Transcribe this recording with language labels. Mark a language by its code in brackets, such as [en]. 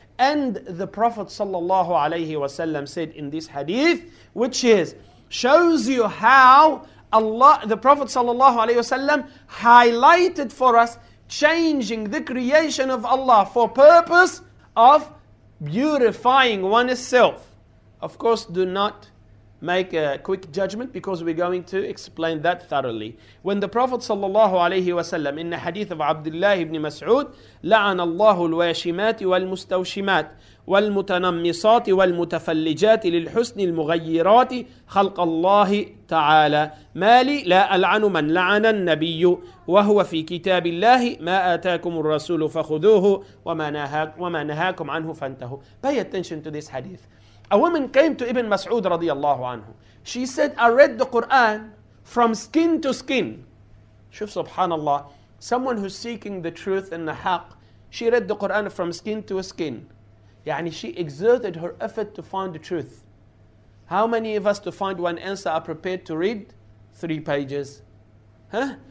[en] And the Prophet sallallahu alayhi wa sallam said in this hadith, which is, shows you how Allah, the Prophet sallallahu alayhi wa sallam, highlighted for us changing the creation of Allah for purpose of beautifying oneself. Of course, do not make a quick judgment because we're going to explain that thoroughly. When the Prophet sallallahu alayhi wa sallam, in the hadith of Abdullah ibn Mas'ud, [ar] لَعَنَ اللَّهُ الْوَاشِمَاتِ وَالْمُسْتَوْشِمَاتِ وَالْمُتَنَمِّصَاتِ وَالْمُتَفَلِّجَاتِ لِلْحُسْنِ الْمُغَيِّرَاتِ خَلْقَ اللَّهِ تَعَالَى مَالِي لَا أَلْعَنُ مَنْ لَعَنَ النَّبِيُّ وَهُوَ فِي كِتَابِ اللَّهِ مَا آتَاكُمُ الرَّسُولُ فَخُذُوهُ وَمَا نَهَاكُمْ عَنْهُ فَانْتَهُوا [en] Pay attention to this hadith. A woman came to Ibn Mas'ud radiallahu anhu. She said, I read the Quran from skin to skin. Shuf subhanallah, someone who's seeking the truth and the haq, she read the Quran from skin to skin. Yani she exerted her effort to find the truth. How many of us to find one answer are prepared to read 3 pages? Huh?